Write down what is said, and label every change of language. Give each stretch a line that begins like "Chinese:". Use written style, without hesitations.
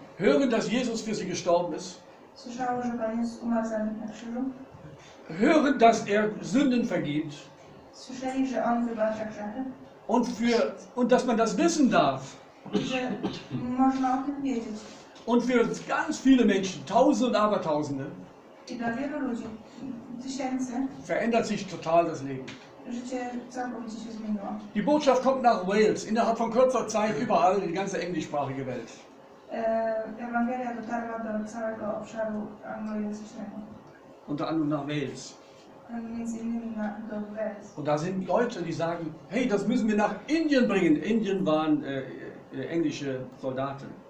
German: Hören, dass Jesus für sie gestorben ist.
Polish: Słyszało, że Pan Jezus umarł za nich na krzyżu.
German: Hören, dass er Sünden vergibt.
Polish: Słyszeli, że on wybacza grzechy.
German: Und für und dass man das wissen darf.
Polish: Można o tym wiedzieć.
German: Und für ganz viele Menschen, Tausende und Abertausende.
Polish: I dla wielu ludzi, tysięcy,
German: verändert sich total das Leben.
Polish: Życie całkowicie się zmieniło.
German: Die Botschaft kommt nach Wales, innerhalb von kurzer Zeit überall in die ganze englischsprachige Welt.
Polish: Ewangelia dotarła do całego obszaru anglojęzycznego.
German: Unter anderem nach Wales.
Polish: Wales.
German: Und da sind Leute, die sagen, hey, das müssen wir nach Indien bringen. Indien waren englische Soldaten.